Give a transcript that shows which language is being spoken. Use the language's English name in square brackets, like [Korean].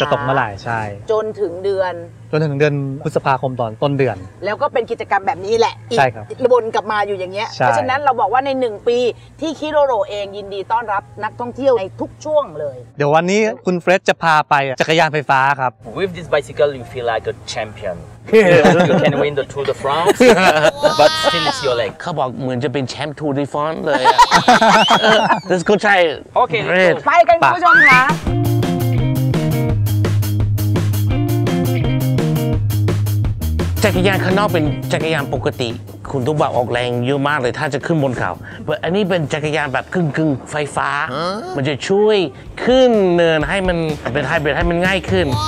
[Thai] จะตกเมื่อไหร่ใช่ จนถึงเดือน จนถึงเดือนพฤษภาคมตอนต้นเดือน แล้วก็เป็นกิจกรรมแบบนี้แหละ ใช่ครับ วนกลับมาอยู่อย่างเงี้ยเพราะฉะนั้นเราบอกว่าใน1ปีที่คิโรโรเองยินดีต้อนรับนักท่องเที่ยวในทุกช่วงเลย เดี๋ยววันนี้คุณเฟรชจะพาไปจักรยานไฟฟ้าครับ [English] With this bicycle you feel like a championyou can win the Tour de France but still it's your leg [Thai] เขาบอกเหมือนจะเป็นแชมป์ Tour de France เลย [English] This could try okay [Thai] ไปกันคุณผู้ชมคะ จักรยานข้างนอกเป็นจักรยานปกติคุณต้องแบบออกแรงเยอะมากเลยถ้าจะขึ้นบนเขาแต่อันนี้เป็นจักรยานแบบครึ่งๆไฟฟ้า มันจะช่วยขึ้นเนินให้มันเป็นไฮบริดให้มันง่ายขึ้น